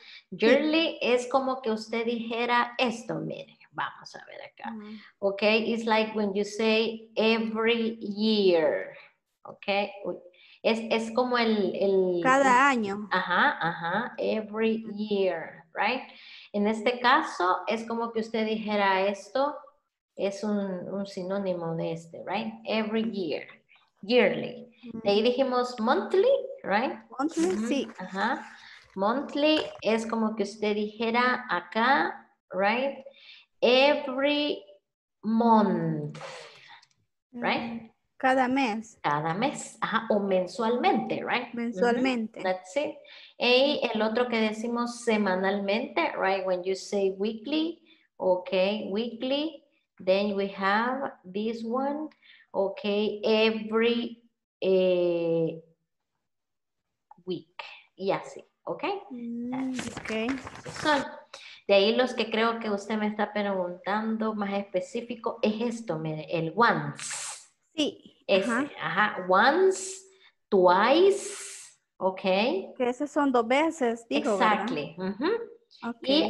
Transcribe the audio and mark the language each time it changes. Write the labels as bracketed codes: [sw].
[es] Yearly es como que usted dijera esto, mire, vamos a ver acá. [en] Okay, it's like when you say every year. [es] Okay, es como el cada año. [en] Every year, right? [es] En este caso, es como que usted dijera esto, es un sinónimo de este, right? [en] Every year, yearly. [es] De ahí dijimos monthly, right? Monthly, sí. Monthly es como que usted dijera acá, right? [en] Every month, right? [es] Cada mes. Cada mes, o mensualmente, right? Mensualmente. [en] That's it. [es] Y el otro que decimos semanalmente, right? [en] When you say weekly, okay, weekly, then we have this one, okay, every week. [es] Y así, okay? [en] Okay. [es] Son. De ahí los que creo que usted me está preguntando más específico es esto, mire, el once. Sí. Ese, [en] once, twice, okay. [es] Que esas son dos veces, digo, [en] exactly. Okay.